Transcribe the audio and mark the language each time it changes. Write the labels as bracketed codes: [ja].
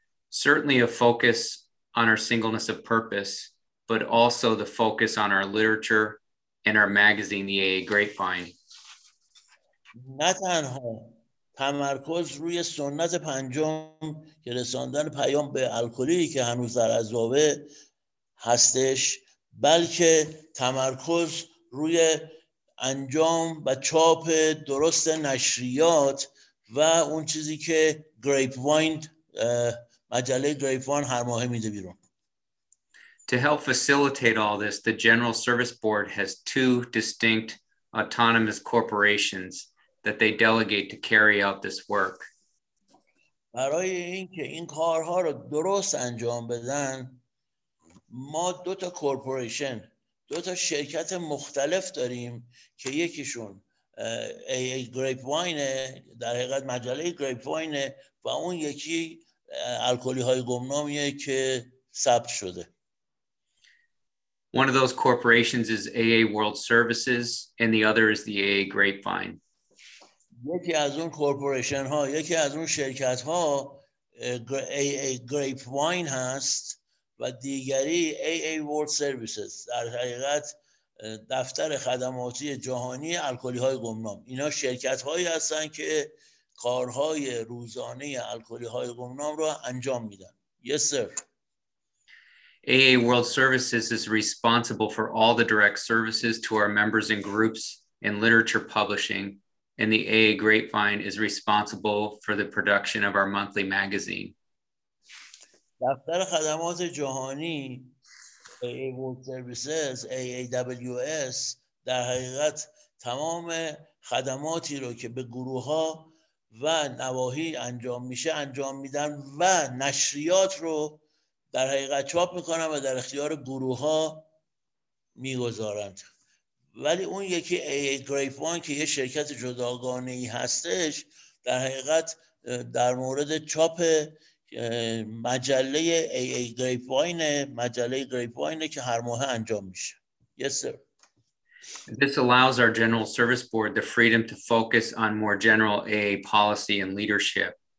[en] Certainly a focus on our singleness of purpose, but also the focus on our literature and our magazine, the AA Grapevine. [fa] نه تنها تمرکز روی سنت پنجم که رساندن پیام به الکلی که هنوز در عذابه هستش، بلکه تمرکز روی انجام و چاپ درست نشریات و اون چیزی که Grapevine مجله گریپوان هر ماه میده بیرون. [en] To help facilitate all this, the General Service Board has two distinct autonomous corporations that they delegate to carry out this work. [fa] برای اینکه این کارها رو درست انجام بدن ما دو تا کورپوریشن، دو تا شرکت مختلف داریم که یکیشون AA Grapevine در حقیقت مجله گریپوانه و اون یکی الکلی‌های گمنامیه که ثبت شده. [en] One of those corporations is AA World Services and the other is the AA Grapevine. [fa] یکی از اون کورپوریشن‌ها، یکی از اون شرکت‌ها AA Grapevine هست و دیگری AA World Services در حقیقت دفتر خدماتی جهانی الکلی‌های گمنام. اینا شرکت‌هایی هستن که کارهای روزانه الکلی‌های گمنام را انجام میدن. [en] Yes sir. AA World Services is responsible for all the direct services to our members and groups and literature publishing, and the AA Grapevine is responsible for the production of our monthly magazine. [fa] دفتر خدمات جهانی AA World Services AAWS در حقیقت تمام خدماتی رو که به گروه ها و نواحی انجام میشه انجام میدن و نشریات رو در حقیقت چاپ میکنن و در اختیار گروه ها میگذارند. ولی اون یکی AA Grapevine که یه شرکت جداگانه ای هستش در حقیقت در مورد چاپ مجله AA Grapevine، مجله Grapevine که هر ماه انجام میشه. [en] Yes sir. This allows our General Service Board the freedom to focus on more general AA policy and leadership.